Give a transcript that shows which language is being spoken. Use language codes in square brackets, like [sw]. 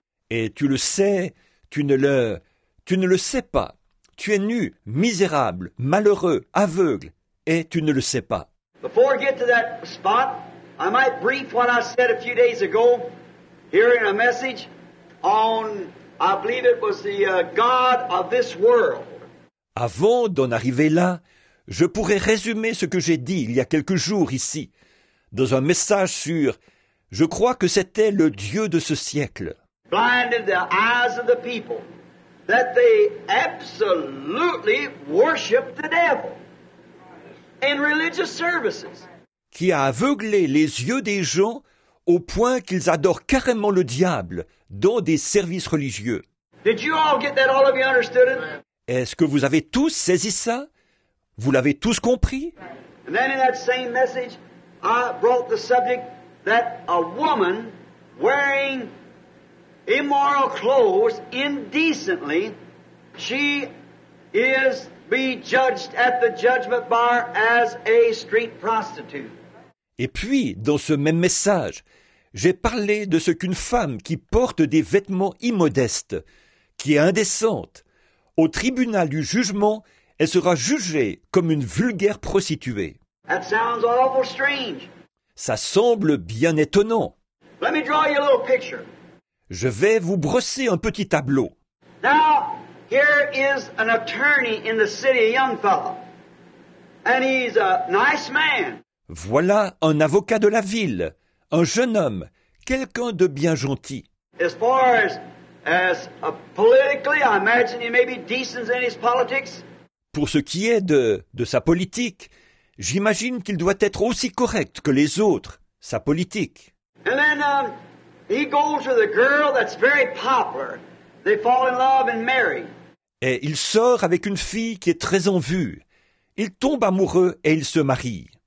[fr] Et tu le sais, tu ne le sais pas. Tu es nu, misérable, malheureux, aveugle, et tu ne le sais pas. [en] Before I get to that spot, I might brief what I said a few days ago, here in a message on, I believe it was the God of this world. [fr] Avant d'en arriver là, je pourrais résumer ce que j'ai dit il y a quelques jours ici, dans un message sur « Je crois que c'était le Dieu de ce siècle ». [en] Blinded the eyes of the people, that they absolutely worship the devil in religious services. [fr] Qui a aveuglé les yeux des gens au point qu'ils adorent carrément le diable dans des services religieux. [en] Did you all get that? All of you understood it? [fr] Est-ce que vous avez tous saisi ça? Vous l'avez tous compris? [en] And then in that same message, I brought the subject that a woman wearing immoral clothes indecently, she is be judged at the judgment bar as a street prostitute. [fr] Et puis, dans ce même message, j'ai parlé de ce qu'une femme qui porte des vêtements immodestes, qui est indécente, au tribunal du jugement, elle sera jugée comme une vulgaire prostituée. [en] That sounds awful strange. [fr] Ça semble bien étonnant. [en] Let me draw you a little picture. [fr] Je vais vous brosser un petit tableau. [en] Now, here is an attorney in the city, a young fellow, and he's a nice man. [fr] Voilà un avocat de la ville, un jeune homme, quelqu'un de bien gentil. [en] As far as politically, I imagine he may be decent in his politics. [fr] Pour ce qui est de sa politique, j'imagine qu'il doit être aussi correct que les autres, sa politique. [en] And then he goes with a girl that's very popular. They fall in love and marry. [fr] Et il sort avec une fille qui est très en vue. Il tombe amoureux et il se marie.